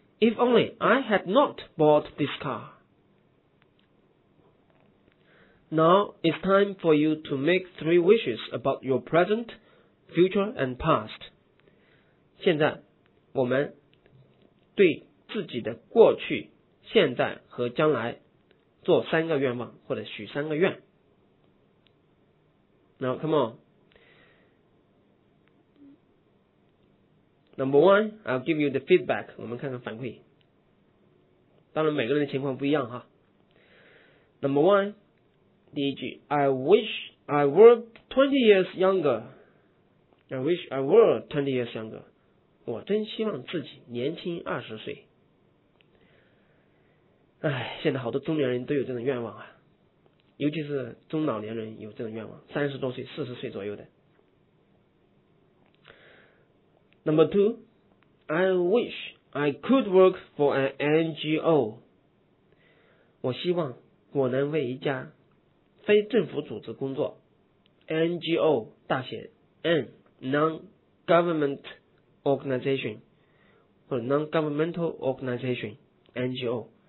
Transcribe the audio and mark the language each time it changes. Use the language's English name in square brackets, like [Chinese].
[English] If only I had not bought this car. Now it's time for you to make three wishes about your present, future, and past. [Chinese] 现在我们对自己的过去、现在和将来做三个愿望或者许三个愿。 [English] Now come on. Number one, I'll give you the feedback. [Chinese] 我们看看反馈。当然每个人的情况不一样哈。 [English] Number one, [Chinese] 第一句 [English] I wish I were 20 years younger. I wish I were 20 years younger. [Chinese] 我真希望自己年轻20岁。哎，现在好多中年人都有这种愿望啊。尤其是中老年人有这种愿望 ,30 多岁 ,40 岁左右的。 [English] Number two, I wish I could work for an NGO. [Chinese] 我希望我能为一家非政府组织工作。 [English] NGO, [Chinese] 大写 [English] N, Non-Government Organization, 或者 Non-Governmental Organization, NGO.